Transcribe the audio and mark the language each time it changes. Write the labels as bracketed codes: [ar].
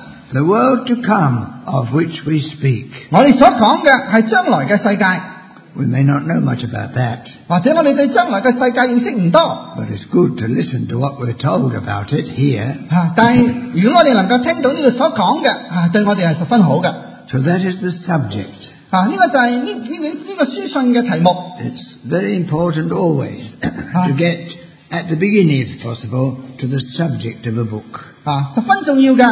[en] the world to come of which we speak. [zh] 我们所说的是将来的世界。 [en] We may not know much about that. [zh] 或者我们对将来的世界认识不多, [en] but it's good to listen to what we're told about it here. [zh] 但如果我们能够听到这个所说的, [en] so that is the subject. [zh] 这个就是这个书信的题目。 [en] It's very important always to get at the beginning, if possible, to the subject of a book.